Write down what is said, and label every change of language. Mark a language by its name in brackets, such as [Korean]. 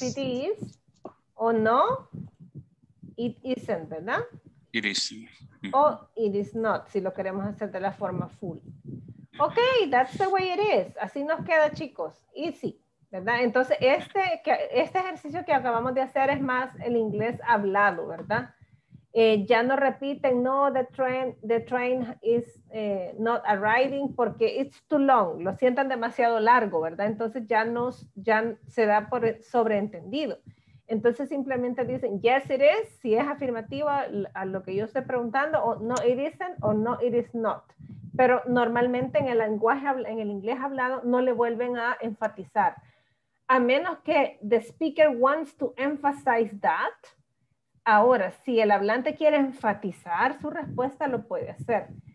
[English] Yes, it is. [Spanish] O no, [English] it isn't, ¿verdad? It is. O it is not, [Spanish] si lo queremos hacer de la forma full. [English] Ok, that's the way it is. [Spanish] Así nos queda, chicos. Easy, ¿verdad? Entonces, este ejercicio que acabamos de hacer es más el inglés hablado, ¿verdad? Ya no repiten, no, [English] the train is not arriving [Spanish] porque [English] it's too long. [Spanish] Lo sientan demasiado largo, ¿verdad? Entonces, ya se da por sobreentendido. Entonces simplemente dicen, [English] yes it is, [Spanish] si es afirmativa a lo que yo estoy preguntando, o [English] no it isn't, [Spanish] o [English] no it is not. [Spanish] Pero normalmente en el lenguaje, en el inglés hablado, no le vuelven a enfatizar. A menos que [English] the speaker wants to emphasize that. [Spanish] Ahora, si el hablante quiere enfatizar su respuesta, lo puede hacer.